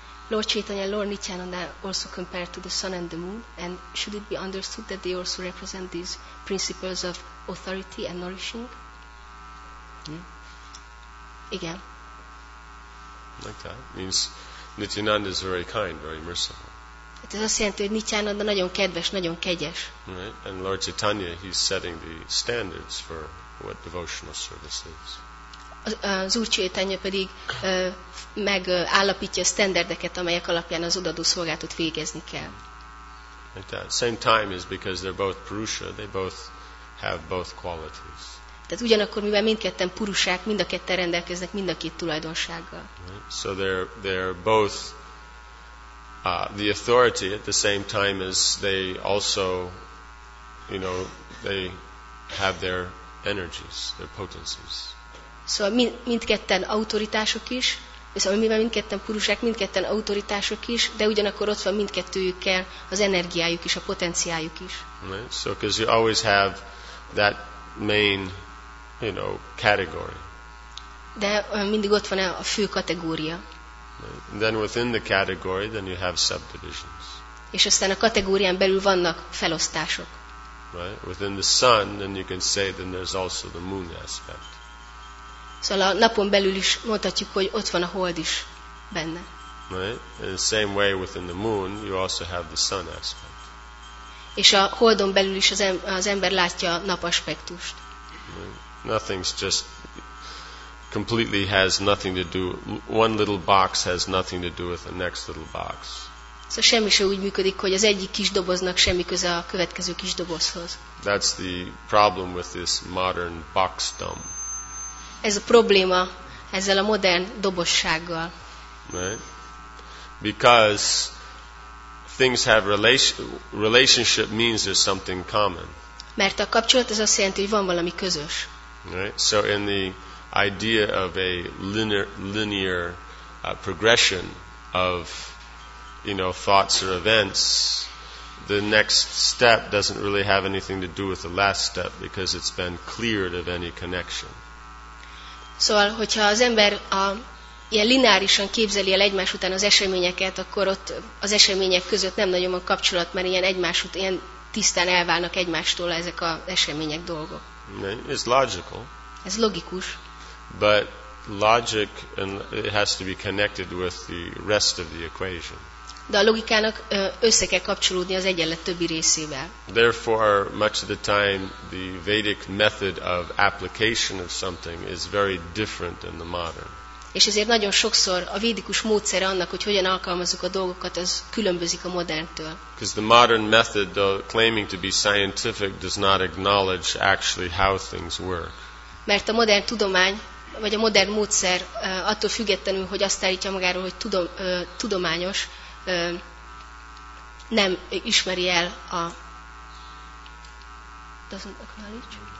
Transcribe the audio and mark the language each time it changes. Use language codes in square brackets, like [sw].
[en] Lord Chaitanya and Lord Nityananda also compared to the sun and the moon, and should it be understood that they also represent these principles of authority and nourishing? Again. Like that. Means Nityananda is very kind, very merciful. [hu] Ez azt jelenti, hogy Nityananda nagyon kedves, nagyon kegyes. [en] Right. And Lord Chaitanya, he's setting the standards for what devotional service is. [hu] Az Úr Csétanya pedig megállapítja a standardeket, amelyek alapján az odaadó szolgálatot végezni kell. [en] Like that. Same time is because they're both purusha, they both have both qualities. [hu] Tehát ugyanakkor, mivel mindketten purusák, mind a ketten rendelkeznek mind a két tulajdonsággal. [en] Right. So they're both the authority at the same time as they also, you know, they have their energies, their potencies. [hu] Szóval mindketten autoritások is, viszont mivel mindketten purusák, mindketten autoritások is, de ugyanakkor ott van mindkettőjükkel az energiájuk is, a potenciájuk is. [en] Right. So, because you always have that main, you know, category. [hu] De mindig ott van a fő kategória. [en] Right. Then within the category, then you have subdivisions. [hu] És aztán a kategórián belül vannak felosztások. [en] Right. Within the sun, then you can say then there's also the moon aspect. [hu] Szóval a napon belül is mondhatjuk, hogy ott van a hold is benne. [en] Right? In the same way within the moon, you also have the sun aspect. [hu] És a holdon belül is az ember látja nap aspektust. [en] Nothing's just completely has nothing to do. One little box has nothing to do with the next little box. [hu] Szóval semmi sem úgy működik, hogy az egyik kis doboznak semmi köze a következő kis dobozhoz. [en] That's the problem with this modern boxdom. [hu] Ez a probléma ezzel a modern dobossággal. [en] Right? Because things have relationship means there's something common. [hu] Mert a kapcsolat az azt jelenti, hogy van valami közös. [en] Right? So in the idea of a linear progression of, you know, thoughts or events, the next step doesn't really have anything to do with the last step because it's been cleared of any connection. [hu] Szóval, hogyha az ember ilyen lineárisan képzeli el egymás után az eseményeket, akkor ott az események között nem nagyon van kapcsolat, mert ilyen egymás után, ilyen tisztán elválnak egymástól ezek az események dolgok. [en] It's logical. [hu] Ez logikus. [en] But logic and it has to be connected with the rest of the equation. [hu] De a logikának össze kell kapcsolódni az egyenlet többi részével. [en] Therefore, much of the time, the Vedic method of application of something is very different than the modern. [hu] És ezért nagyon sokszor a védikus módszere annak, hogy hogyan alkalmazzuk a dolgokat, az különbözik a moderntől. [en] Because the modern method, though claiming to be scientific, does not acknowledge actually how things work. [hu] Mert a modern tudomány, vagy a modern módszer attól függetlenül, hogy azt állítja magáról, hogy tudományos, nem ismeri el a... [en] Doesn't acknowledge?